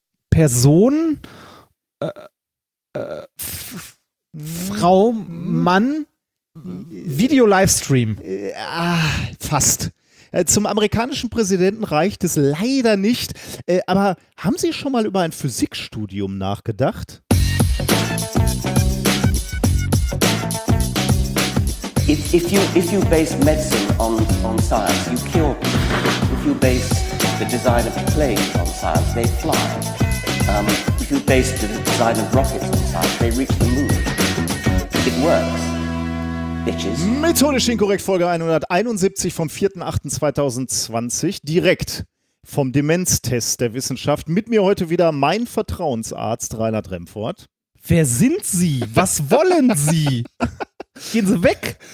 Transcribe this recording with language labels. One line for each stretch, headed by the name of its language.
German: Person, Frau, Mann, Video-Livestream. Fast. Zum amerikanischen Präsidenten reicht es leider nicht. Aber haben Sie schon mal über ein Physikstudium nachgedacht?
English: If you base medicine on science, you kill people. If you base the design of planes on science, they fly. If you base the design of rockets on science, they reach the moon. It works. Bitches.
German: Methodisch Inkorrekt, Folge 171 vom 04.08.2020, direkt vom Demenztest der Wissenschaft. Mit mir heute wieder mein Vertrauensarzt, Reinhard Remford. Wer sind Sie? Was wollen Sie? Gehen Sie weg!